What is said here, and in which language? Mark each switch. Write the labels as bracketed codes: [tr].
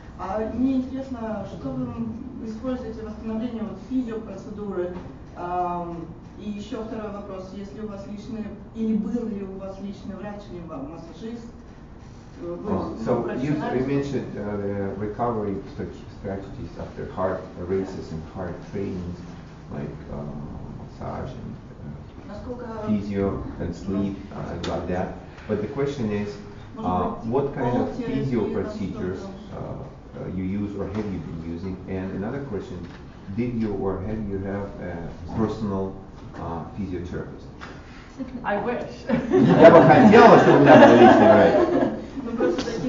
[ru] А мне интересно, что вы используете в восстановлении вот физиопроцедуры? И еще второй вопрос, есть ли у вас личный, или был ли у вас личный врач, либо массажист? [en] So you mentioned recovery strategies after heart races and heart trainings, like massage and physio and sleep and like that. But the question is, what kind of physio procedures you use or have you been using? And another question, did you or have you have a personal physiotherapist? I wish. [ru] Я бы хотела, чтобы у меня был личный врач.